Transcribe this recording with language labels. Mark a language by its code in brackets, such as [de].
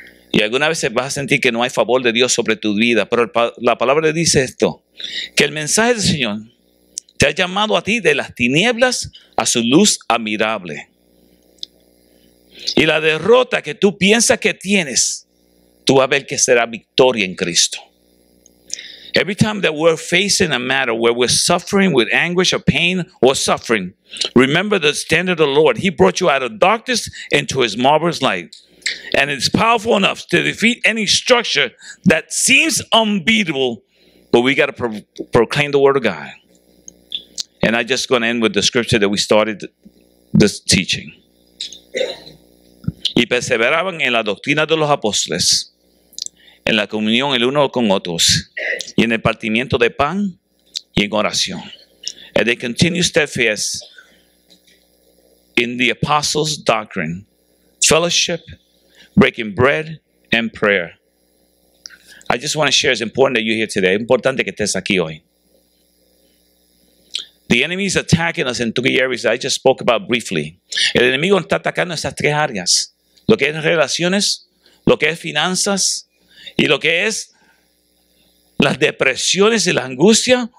[es] Y alguna vez vas a sentir que no hay favor de Dios sobre tu vida, pero la palabra dice esto, que el mensaje del Señor te ha llamado a ti de las tinieblas a su luz admirable. Y la derrota que tú piensas que tienes, tú vas a ver que será victoria en Cristo. [en] Every time that we're facing a matter where we're suffering with anguish or pain or suffering, remember the standard of the Lord. He brought you out of darkness into his marvelous light. And it's powerful enough to defeat any structure that seems unbeatable, but we got to proclaim the word of God. And I'm just going to end with the scripture that we started this teaching. [es] Y perseveraban en la doctrina de los apóstoles. En la comunión el uno con otros, y en el partimiento de pan, y en oración. [en] And they continue steadfast in the apostles' doctrine, fellowship, breaking bread and prayer. I just want to share, it's important that you're here today. [es] Es importante que estés aquí hoy. [en] The enemy is attacking us in three areas that I just spoke about briefly. [es] El enemigo está atacando estas tres áreas. Lo que es relaciones, lo que es finanzas, y lo que es las depresiones y la angustia.